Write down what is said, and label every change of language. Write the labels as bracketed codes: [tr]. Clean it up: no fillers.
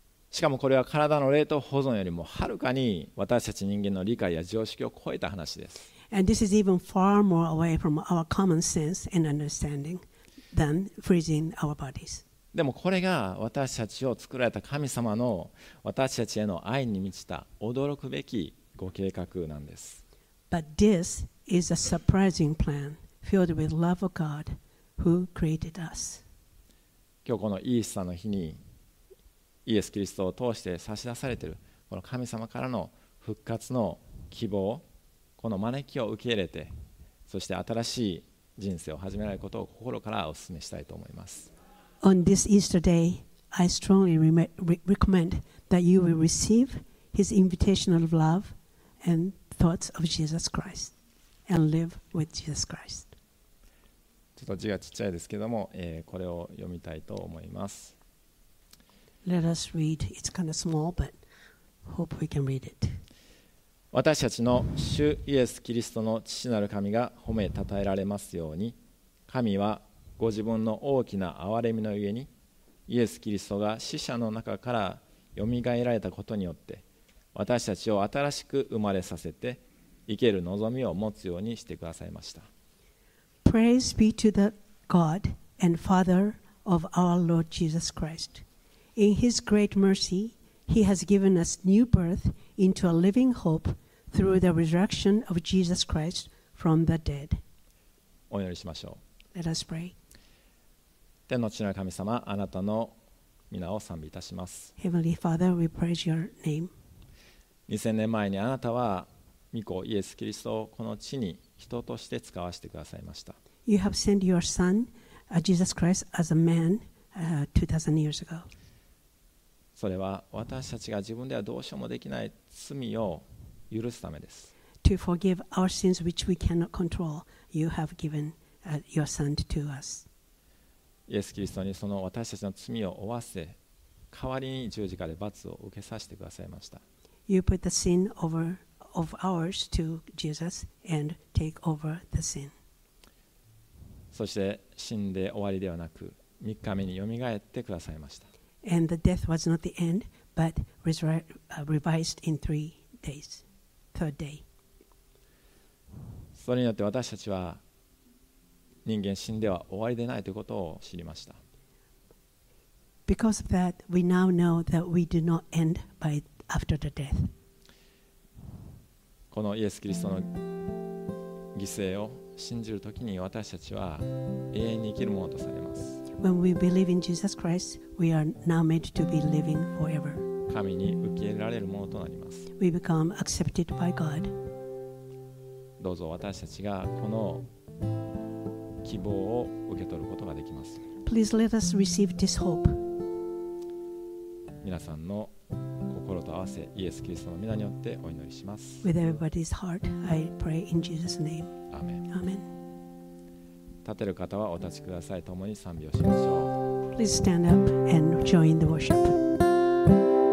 [ja] しかもこれは体の冷凍保存よりもはるかに私たち人間の理解や常識を超えた話です。 [en] And this is even far more away from our common sense and understanding than freezing our bodies. [ja] でもこれが私たちを作られた神様の私たちへの愛に満ちた驚くべきご計画なんです。 [en] But this is a surprising plan filled with love of God who created us. [ja] 今日このイースターの日にイエス・キリストを通して差し出されているこの神様からの復活の希望、この招きを受け入れて、そして新しい人生を始められることを心からお勧めしたいと思います。 [en] On this Easter day, I strongly recommend that you will receive his invitation of love and thoughts of Jesus Christ and live with Jesus Christ. [ja] ちょっと字がちっちゃいですけども、これを読みたいと思います。 [en] Let us read. It's kind of small, but hope we can read it. [ja] 私たちの主イエス・キリストの父なる神が褒め称えられますように、神はご自分の大きな憐れみのゆえにイエス・キリストが死者の中から蘇られたことによって私たちを新しく生まれさせて生ける望みを持つようにしてくださいました。 [en] Praise be to the God and Father of our Lord Jesus Christ. In His great mercy, He has given us new birth into a living hope through the resurrection of Jesus Christ from the dead. [ja] お祈りしましょう。 [en] Let us pray. [ja] 天の父なる神様、あなたの皆を賛美いたします。 [en] Heavenly Father, we praise your name. [ja] 2000年前にあなたは御子イエス・キリストをこの地に人として使わせてくださいました。 [en] You have sent your son, Jesus Christ, as a man, 2000 years ago. [ja] それは私たちが自分ではどうしようもできない罪を許すためです。 [en] To forgive our sins which we cannot control, you have given your son to us. [ja] イエス・キリストにその私たちの罪を負わせ、代わりに十字架で罰を受けさせてくださいました。 [en] You put the sin over of ours to Jesus and take over the sin. [ja] そして死んで終わりではなく、3日目によみがえってくださいました。 [en] And the death was not the end, but revised in three days, third day. [ja] それによって私たちは人間死んでは終わりでないということを知りました。 [en] Because of that, we now know that we do not end by theAfter the death. [ja] このイエス・キリストの犠牲を信じるときに私たちは永遠に生きるものとされます。 [en] When we believe in Jesus Christ, we are now made to be living forever. [ja] 神に受け入れられるものとなります。 [en] We become accepted by God. [ja] どうぞ私たちがこの希望を受け取ることができます。 [en] Please let us receive this hope. [ja] 皆さんの心と合わせイエス・キリストの御名によってお祈りします。 [en] With everybody's heart, I pray in Jesus' name. Amen. Amen. [ja] 立てる方はお立ちください。共に賛美をしましょう。 [en] Please stand up and join the worship.